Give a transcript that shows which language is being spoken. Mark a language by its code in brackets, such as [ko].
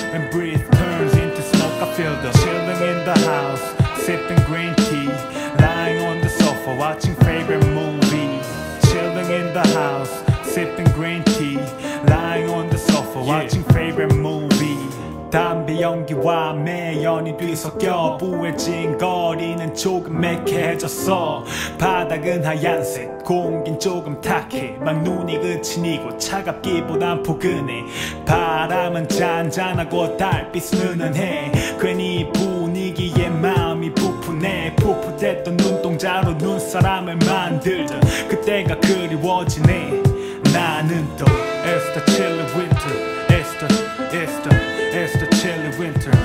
[en] When breeze turns into smoke I feel the chilling in the house. Sipping green tea, lying on the sofa, watching favorite movie. Chilling in the house, sipping green tea, lying on the sofa, yeah. Watching favorite movie. [ko] 담배 연기와 매연이 뒤섞여 부해진 거리는 조금 매캐해졌어. 바닥은 하얀색 공긴 조금 탁해. 막 눈이 그친 이곳 차갑기보단 포근해. 바람은 잔잔하고 달빛은 은은해. 괜히 분위기에 마음이 부푸네. 부풋했던 눈동자로 눈사람을 만들던 그때가 그리워지네. 나는 또 [en] It's the chilly winter. It's the chilly winter.